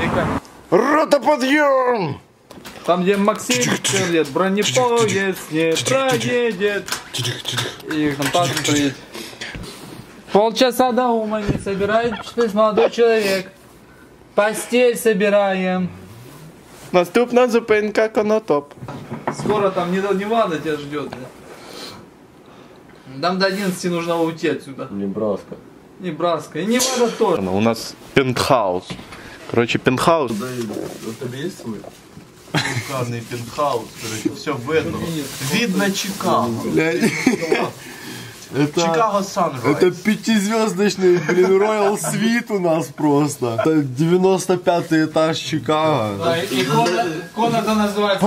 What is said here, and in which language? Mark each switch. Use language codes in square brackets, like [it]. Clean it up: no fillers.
[ru] Не наш? Ротоподъем! Там, где Максим Черлет, бронепоезд не проедет. И там паспорт приедет. Полчаса до ума не собирается, молодой человек. Постель собираем. [uk] Наступна зупинка Конотоп. [ru] Скоро там не ванна тебя ждет. Да? Нам до 11 нужно уйти отсюда. Небраска. Небраска. И не ванна тоже. У нас пентхаус. Короче, пентхаус. Да, у тебя есть свой? Уханный пентхаус. Короче, все видно. Видно Чикаго. Это, Чикаго Sunrise. Это пятизвездочный, блин, Royal Suite у нас просто. Это 95-й этаж Чикаго. Да, и комната называется...